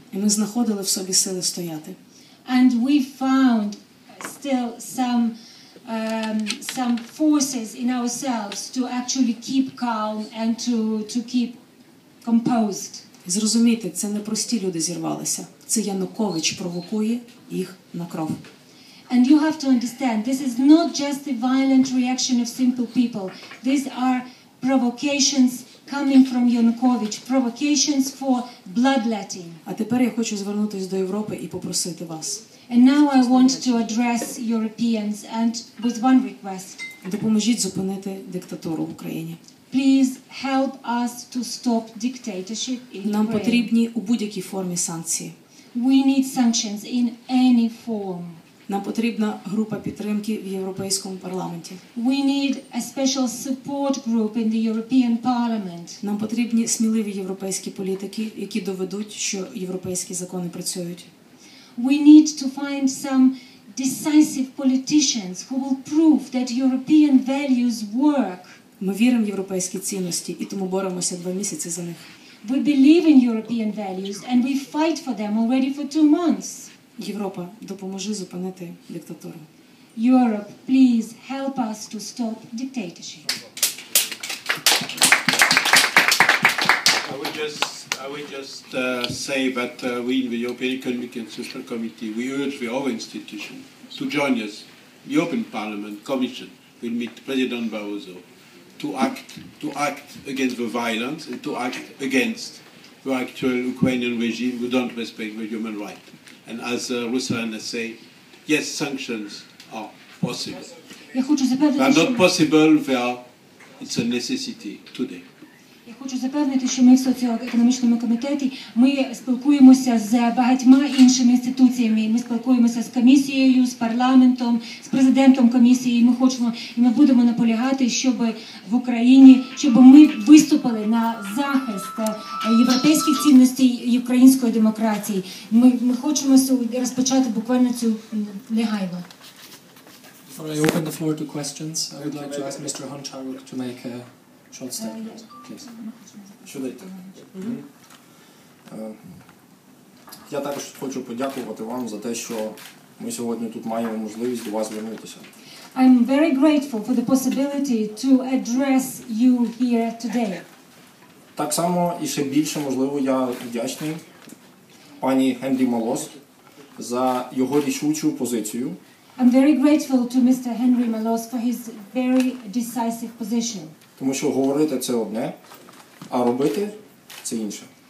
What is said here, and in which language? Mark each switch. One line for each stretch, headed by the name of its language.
Ukrainian: І ми знаходили в собі сили стояти.
English: And we found still some forces in ourselves to actually keep calm and to keep composed.
Ukrainian: Зрозумійте, це не прості люди зірвалися. Це Янукович провокує їх на кров.
English: And you have to understand, this is not just the violent reaction of simple people. These are provocations coming from Yanukovych, provocations for bloodletting.
Ukrainian: А тепер я хочу звернутися до Європи і попросити вас.
English: And now I want to address Europeans and with one request.
Ukrainian: Допоможіть зупинити диктатуру в Україні.
English: Please help us to stop dictatorship in Ukraine.
Ukrainian: Нам потрібні у будь-якій формі санкції.
English: We need sanctions in any form.
Ukrainian: Нам потрібна група підтримки в Європейському парламенті.
English: We need a special support group in the European Parliament.
Ukrainian: Нам потрібні сміливі європейські політики, які доведуть, що європейські закони працюють.
English: We need to find some decisive politicians who will prove that European values work.
Ukrainian: Ми віримо в європейські цінності і тому боремося 2 місяці за них.
English: We believe in European values and we fight for them already for 2 months.
Ukrainian: Європа, допоможи зупинити диктатуру.
English: Europe, please help us to stop dictatorship. I would just say that we in the European Economic and Social Committee, we urge the whole institution to join us, the European Parliament, Commission, will meet President Barroso, to act against the violence and to act against the actual Ukrainian regime who don't respect the human rights. And as Ruslan has said, yes, sanctions are possible. They are not possible, it's a necessity today.
Ukrainian: Я хочу запевнити, що ми в соціоекономічному комітеті, ми спілкуємося з багатьма іншими інституціями. Ми спілкуємося з комісією, з парламентом, з президентом комісії. Ми хочемо і ми будемо наполягати, щоб в Україні, щоб ми виступили на захист європейських цінностей і української демократії. Ми хочемо розпочати буквально цю негайно.
English: Before I open the floor to questions, I would like to ask Mr. Honcharuk to make a short statement.
Ukrainian: Я також хочу подякувати вам за те, що ми сьогодні тут маємо можливість до вас звернутися.
English: I'm very grateful for the possibility to address you here today.
Ukrainian: Так само і ще більше, можливо, я вдячний пані Генрі Малос за його рішучу позицію.
English: I'm very grateful to Mr. Henry Malos for his very decisive position.
Ukrainian: Тому що говорити – це одне, а робити – це інше.